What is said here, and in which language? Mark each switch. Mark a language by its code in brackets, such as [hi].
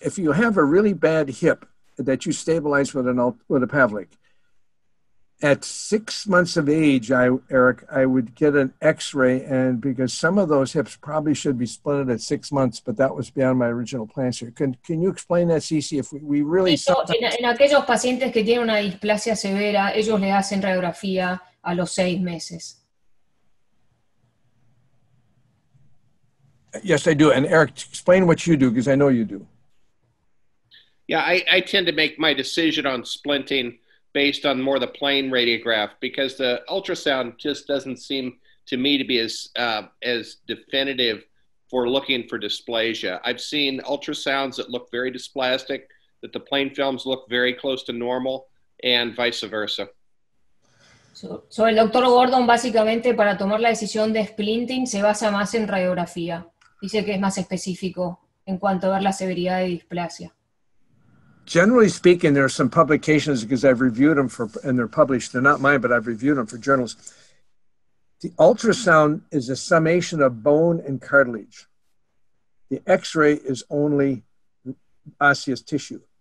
[en] If you have a really bad hip that you stabilize with a Pavlik, at 6 months of age, Eric, I would get an X-ray, and because some of those hips probably should be splinted at 6 months, but that was beyond my original plans here. Can you explain that, Cici? If we really [es] saw en aquellos pacientes que tienen una displasia severa, ellos le hacen radiografía a los 6 meses. [en] Yes, I do. And Eric, explain what you do, because I know you do. Yeah, I tend to make my decision on splinting based on more the plain radiograph, because the ultrasound just doesn't seem to me to be as definitive for looking for dysplasia. I've seen ultrasounds that look very dysplastic, that the plain films look very close to normal, and vice versa. [es] So el Dr. Gordon, básicamente, para tomar la decisión de splinting, se basa más en radiografía. Dice que es más específico en cuanto a ver la severidad de displasia. [en] Generally speaking, there are some publications, because I've reviewed them and they're published. They're not mine, but I've reviewed them for journals. The ultrasound is a summation of bone and cartilage. The X-ray is only osseous tissue.